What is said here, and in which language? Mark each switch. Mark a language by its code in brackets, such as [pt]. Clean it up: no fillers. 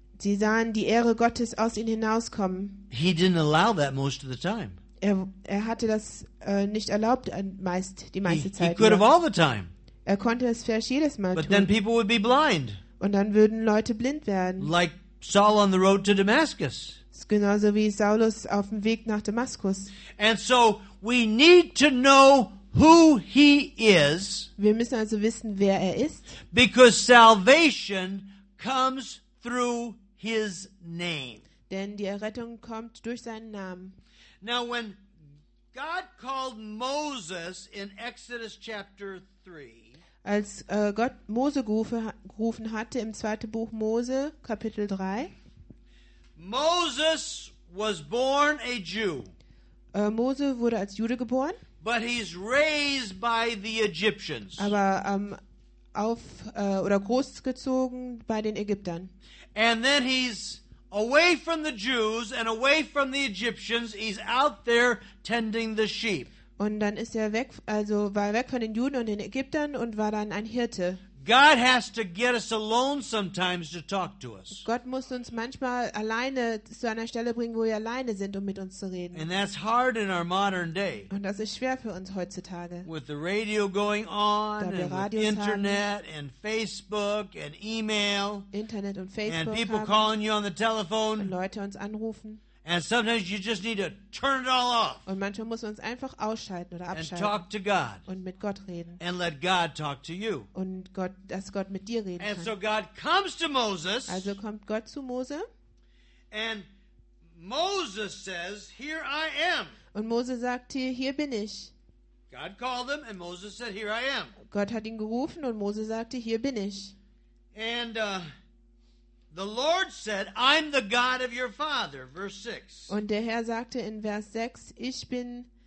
[de] Sie sahen die Ehre Gottes aus ihnen hinauskommen. [en] He didn't allow that most of the time. [de] Er hatte das nicht erlaubt die meiste Zeit. [en] He could have all the time. [de] Er konnte es vielleicht jedes Mal [en] but [de] tun. [en] Then people would be blind. [de] Und dann würden Leute blind werden. [en] Like Saul on the road to Damascus. [de] Genauso wie Saulus auf dem Weg nach Damaskus. [en] And so we need to know who he is. [de] Wir müssen also wissen, wer er ist. [en] Because salvation comes through his name. [de] Denn die Errettung kommt durch seinen Namen. [en] Now when God called Moses in Exodus chapter 3. [de] Als Gott Mose gerufen hatte im zweiten Buch Mose Kapitel 3. [en] Moses was born a Jew. [de] Mose wurde als Jude geboren. [en] But he's raised by the Egyptians. [de] Aber oder großgezogen bei den Ägyptern. [en] And then he's away from the Jews and away from the Egyptians. He's out there tending the sheep. [de] Und dann ist er weg, also war weg von den Juden und den Ägyptern und war dann ein Hirte. [en] God has to get us alone sometimes to talk to us. [de] Gott muss uns manchmal alleine zu einer Stelle bringen, wo wir alleine sind, um mit uns zu reden. [en] And that's hard in our modern day. [de] Und das ist schwer für uns heutzutage. [en] With the radio going on, [de] da wir [en] and [de] Radios Internet haben, [en] and Facebook and email, [de] Internet und Facebook [en] and people [de] haben, [en] calling you on the telephone, [de] und Leute uns anrufen. [en] And sometimes you just need to turn it all off. [de] Und manchmal muss man uns einfach ausschalten oder abschalten. [en] And talk to God. [de] Und mit Gott reden. [en] And let God talk to you. [de] Und Gott, dass Gott mit dir reden [en] and [de] kann. [en] And so God comes to Moses. [de] Also kommt Gott zu Mose. [en] And Moses says, "Here I am." [de] Und Mose sagt hier, hier bin ich. [en] God called him, and Moses said, "Here I am." [de] Gott hat ihn gerufen und Mose sagte, hier bin ich. [en] And the Lord said, "I'm the God of your father." Verse 6. [de] Und der Herr sagte in Vers 6, ich bin